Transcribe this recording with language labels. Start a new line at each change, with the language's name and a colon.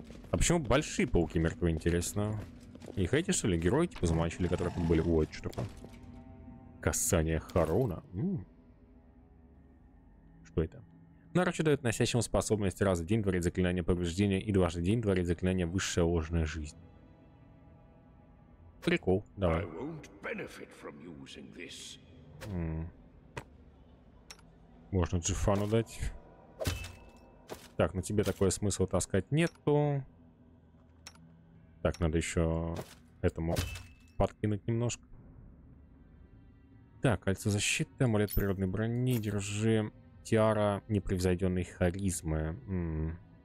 Russian: А почему большие пауки мертвы, интересно? Их эти, что ли, герои типа замачили, которые там были? Вот что-то. Касание Харуна. какой-то. Нарочи дает носящему способность раз в день творить заклинание повреждения и дважды в день творить заклинание высшая ложная жизнь. Прикол, давай.
English: I won't benefit from using this.
Russian: Можно Джифану дать. Так, на тебе такое смысла таскать нету. Так, надо еще этому подкинуть немножко. Так, кольцо защиты, амулет природной брони, держи. Тиара непревзойденной харизмы.